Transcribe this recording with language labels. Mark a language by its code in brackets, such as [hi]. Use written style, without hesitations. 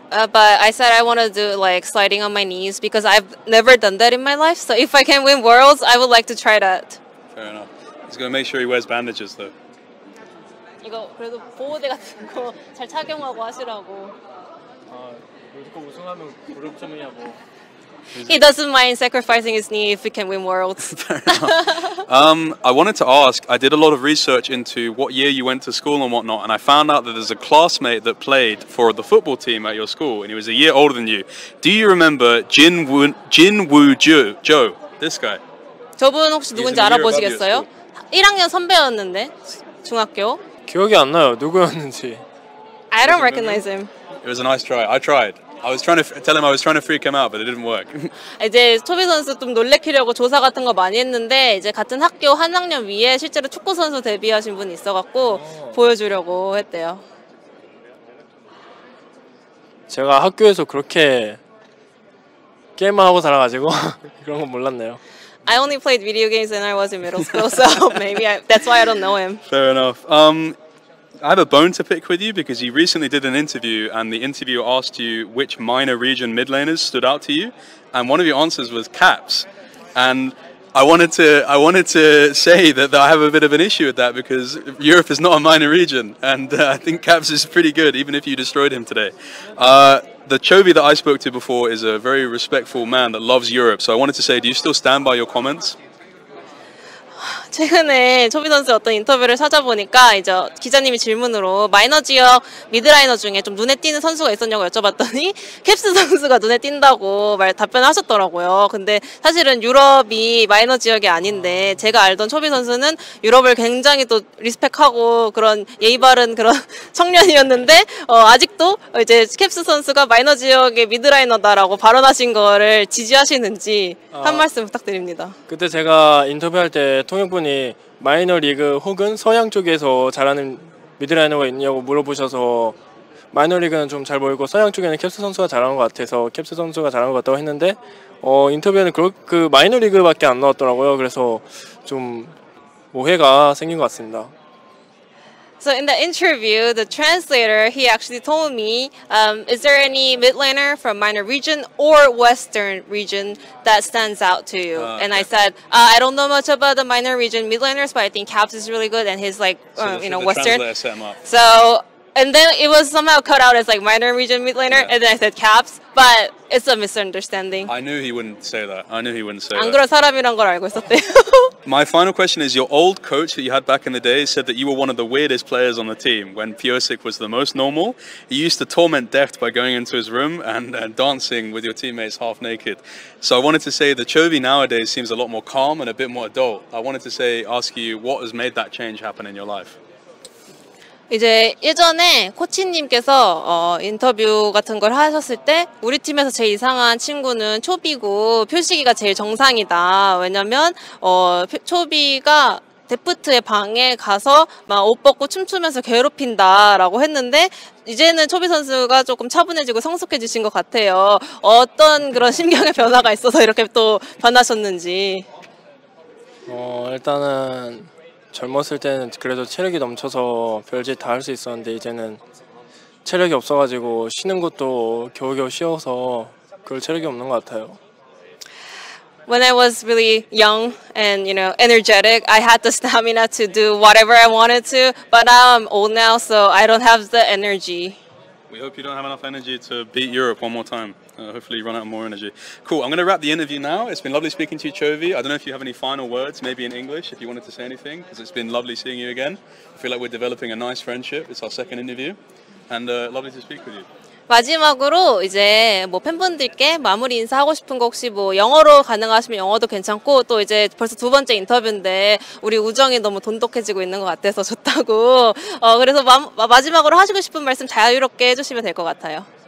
[en] But I said I want to do like sliding on my knees because I've never done that in my life. So if I can win Worlds, I would like to try that. Fair enough. He's going to make sure he wears bandages, though. [ko] 이거 그래도 보호대 같은 거 잘 착용하고 하시라고. 무조건 우승하면 무릎 좀 해야 뭐. [en] He doesn't mind sacrificing his knee if we can win Worlds. I wanted to ask, I did a lot of research into what year you went to school and whatnot, and I found out that there's a classmate that played for the football team at your school, and he was a year older than you. Do you remember Jin Woo Jo? This guy? [ko] 저분 혹시 누군지 알아보시겠어요? 1학년 선배였는데 중학교 기억이 안 나요 누구였는지 [en] I don't recognize him. It was a nice try. I tried. I was trying to tell him I was trying to freak him out, but it didn't work. [ko] 이제 초비 선수 좀 놀래키려고 조사 같은 거 많이 했는데 이제 같은 학교 한 학년 위에 실제로 축구 선수 데뷔하신 분이 있어갖고 보여주려고 했대요. 제가 학교에서 그렇게 게임만 하고 살아가지고 그런 건 몰랐네요. [en] I only played video games when I was in middle school, so maybe that's why I don't know him. Fair enough. I have a bone to pick with you because you recently did an interview and the interviewer asked you which minor region mid laners stood out to you. And one of your answers was Caps. And I wanted to say that I have a bit of an issue with that because Europe is not a minor region. And I think Caps is pretty good, even if you destroyed him today. The Chovy that I spoke to before is a very respectful man that loves Europe. So I wanted to say, do you still stand by your comments? [ko] 최근에 초비 선수 어떤 인터뷰를 찾아보니까 이제 기자님이 질문으로 마이너 지역 미드라이너 중에 좀 눈에 띄는 선수가 있었냐고 여쭤봤더니 캡스 선수가 눈에 띈다고 답변을 하셨더라고요. 근데 사실은 유럽이 마이너 지역이 아닌데 제가 알던 초비 선수는 유럽을 굉장히 또 리스펙하고 그런 예의 바른 그런 청년이었는데 아직도 이제 캡스 선수가 마이너 지역의 미드라이너다라고 발언하신 거를 지지하시는지 한 말씀 부탁드립니다. 그때 제가 인터뷰할 때 통역분이 마이너 리그 혹은 서양 쪽에서 잘하는 미드라이너가 있냐고 물어보셔서 마이너 리그는 좀 잘 보이고 서양 쪽에는 캡스 선수가 잘하는 것 같아서 캡스 선수가 잘하는 것 같다고 했는데 인터뷰에는 그 마이너 리그밖에 안 나왔더라고요. 그래서 좀 오해가 생긴 것 같습니다. [en] So in the interview, the translator, he actually told me, is there any midlaner from minor region or western region that stands out to you? And I said, I don't know much about the minor region midlaners, but I think Caps is really good, and he's like, so you know, the western. So translator set him up. So, and then it was somehow cut out as like minor region midlaner, and then I said Caps, but it's a misunderstanding. I knew he wouldn't say that. I knew he wouldn't say that. [ko] 안 그런 사람이란 걸 알고 있었대요. [en] My final question is, your old coach that you had back in the day said that you were one of the weirdest players on the team when Piosik was the most normal. He used to torment Deft by going into his room and dancing with your teammates half naked. So I wanted to say the Chovy nowadays seems a lot more calm and a bit more adult. I wanted to say, ask you, what has made that change happen in your life? [ko] 이제 예전에 코치님께서 인터뷰 같은 걸 하셨을 때 우리 팀에서 제일 이상한 친구는 초비고 표식이가 제일 정상이다. 왜냐면 초비가 데프트의 방에 가서 막 옷 벗고 춤추면서 괴롭힌다라고 했는데 이제는 초비 선수가 조금 차분해지고 성숙해지신 것 같아요. 어떤 그런 심경의 변화가 있어서 이렇게 또 변하셨는지. 일단은 젊었을 때는 그래도 체력이 넘쳐서 별짓 다 할 수 있었는데 이제는 체력이 없어가지고 쉬는 것도 겨우겨우 쉬어서 그럴 체력이 없는 것 같아요. [en] When I was really young and, you know, energetic, I had the stamina to do whatever I wanted to, but now I'm old now, so I don't have the energy. We hope you don't have enough energy to beat Europe one more time. Hopefully you run out of more energy. Cool, I'm going to wrap the interview now. It's been lovely speaking to you, Chovy. I don't know if you have any final words, maybe in English, if you wanted to say anything, because it's been lovely seeing you again. I feel like we're developing a nice friendship. It's our second interview, and lovely to speak with you. [ko] 마지막으로 이제 뭐 팬분들께 마무리 인사하고 싶은 거 혹시 뭐 영어로 가능하시면 영어도 괜찮고 또 이제 벌써 두 번째 인터뷰인데 우리 우정이 너무 돈독해지고 있는 것 같아서 좋다고 그래서 마지막으로 하시고 싶은 말씀 자유롭게 해주시면 될 것 같아요.